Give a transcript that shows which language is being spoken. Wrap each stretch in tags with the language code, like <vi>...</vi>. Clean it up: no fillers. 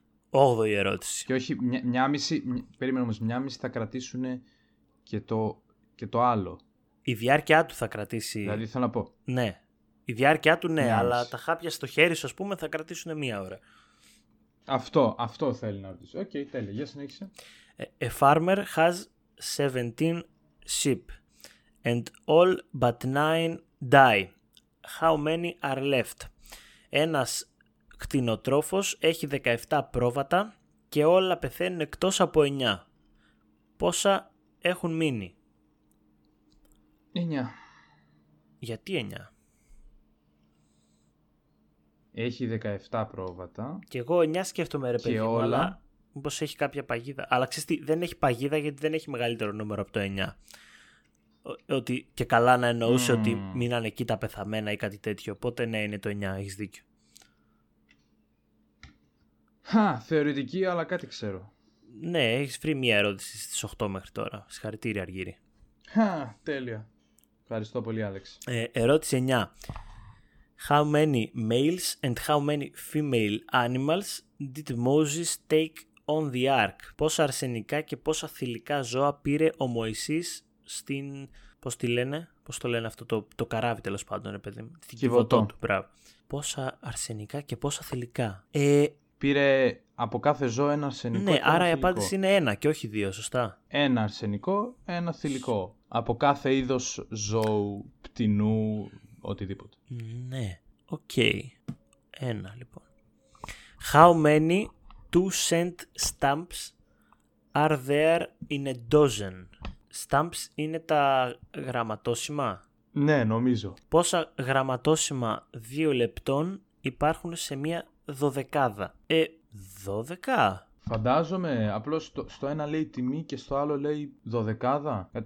<el>8η ερώτηση. Και όχι, περίμενε όμως, μία μισή θα κρατήσουν και το άλλο. Η διάρκεια του θα κρατήσει. Δηλαδή θέλω να πω. Ναι. Η διάρκεια του, ναι, αλλά τα χάπια στο χέρι σου, ας πούμε, θα κρατήσουν μία ώρα. Αυτό θέλει να ρωτήσω. Οκ, τέλεια. Για συνέχισε.</el> <en>A farmer has 17 sheep and all but 9 die. How many are left?</en> <el>Ένας κτηνοτρόφος έχει 17 πρόβατα και όλα πεθαίνουν εκτός από 9. Πόσα έχουν μείνει? 9. Γιατί 9? Έχει 17 πρόβατα. Και εγώ 9 σκέφτομαι, ρε παιδί, όλα... αλλά μήπως έχει κάποια παγίδα. Αλλά ξέρεις τι, δεν έχει παγίδα γιατί δεν έχει μεγαλύτερο νούμερο από το 9. Ότι και καλά να εννοούσε ότι μείνανε εκεί τα πεθαμένα ή κάτι τέτοιο. Οπότε ναι, είναι το 9, έχεις δίκιο. Χα, θεωρητική, αλλά κάτι ξέρω. Ναι, έχεις βρει μία ερώτηση στις 8 μέχρι τώρα. Συγχαρητήρια, Αργύρη. Χα, τέλεια. Ευχαριστώ πολύ, Άλεξ. Ερώτηση 9.</el> <en>How many males and how many female animals did Moses take on the ark?</en> <el>Πόσα αρσενικά και πόσα θηλυκά ζώα πήρε ο Μωυσής στην... Πώς τη λένε? Πώς το λένε αυτό το καράβι, τέλος πάντων, ρε παιδί μου. Την κυβωτό του, μπράβο. Πόσα αρσενικά και πόσα θηλυκά. Πήρε από κάθε ζώο ένα αρσενικό. Ναι, ένα άρα θηλυκό. Η απάντηση είναι ένα και όχι δύο, σωστά. Ένα αρσενικό, ένα θηλυκό. Από κάθε είδος ζώου, πτηνού, οτιδήποτε. Ναι. Οκ. Okay. Ένα, λοιπόν.</el> <en>How many 2-cent stamps are there in a dozen?</en> <el>Stamps είναι τα γραμματόσημα. Ναι, νομίζω. Πόσα γραμματόσημα 2 λεπτών υπάρχουν σε μία δωδεκάδα? 12. Φαντάζομαι, απλώς στο ένα λέει τιμή και στο άλλο λέει δωδεκάδα.</el>